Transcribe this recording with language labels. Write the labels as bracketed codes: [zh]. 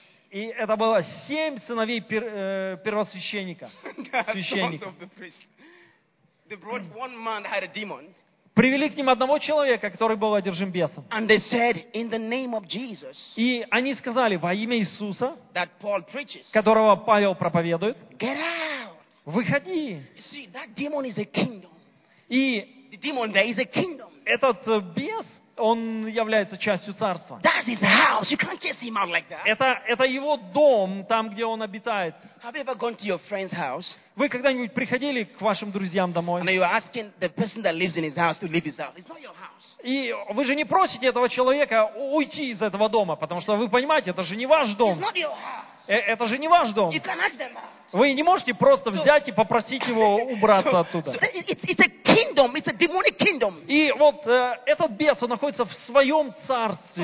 [ru] И это было семь сыновей первосвященника. Священника. [en] They brought one man that had a demon. [ru] Привели к ним одного человека, который был одержим бесом. [en] And they said, in the name of Jesus, [ru] и они сказали, во имя Иисуса, [en] that Paul preaches, [ru] которого Павел проповедует, [en] get out. [ru] Выходи. [en] You see, that demon is a kingdom. [ru] И [en] the demon there is a kingdom. [ru] Этот бес, он является частью царства. [en] That's his house. You can't chase him out like that. [ru] Это его дом, там, где он обитает. [en] Have you ever gone to your friend's house? [ru] Вы когда-нибудь приходили к вашим друзьям домой? [en] And you're asking the person that lives in his house to leave his house. It's not your house. [ru] И вы же не просите этого человека уйти из этого дома, потому что вы понимаете, это же не ваш дом. [en] It's not your house. [ru] Это же не ваш дом. [en] You can't ask them out. [ru] Вы не можете просто взять и попросить его убраться оттуда. [en] It's a kingdom, it's a demonic kingdom. [ru] И вот этот бес, он находится в своем царстве.